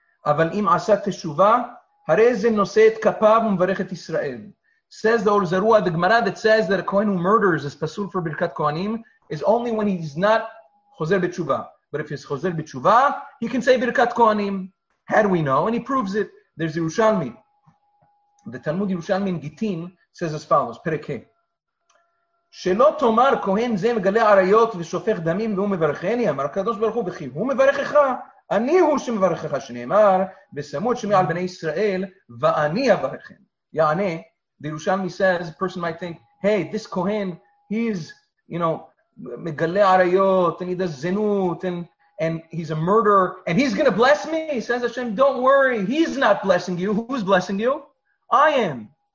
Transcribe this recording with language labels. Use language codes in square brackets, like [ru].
[he] אבל אם עשה תשובה, הרי זה נושא את כפיו ומברך את ישראל. [en] Says the Or Zerua, the Gemara that says that a Kohen who murders is pasul for Birkat Kohanim is only when he's not chozer b'tshuva. But if he's chozer b'tshuva, he can say Birkat Kohanim. How do we know? And he proves it. There's Yerushalmi. The Talmud Yerushalmi in Gittin says as follows, Perek He. [he] שלא תאמר כהן זה מגלה עריות ושופך דמים והוא מברכני, אמר הקדוש ברוך הוא בכי, הוא מברכך. אני הוא שמברכך שנאמר, ושמו את שמי על בני ישראל, ואני אברכם. [en] יענה, the Yerushalmi says, a person might think, hey, this Kohen, he's, you know, מגלה עריות, and he does זנות, and he's a murderer, and he's going to bless me, says Hashem, don't worry, he's not blessing you, who's blessing you? I am.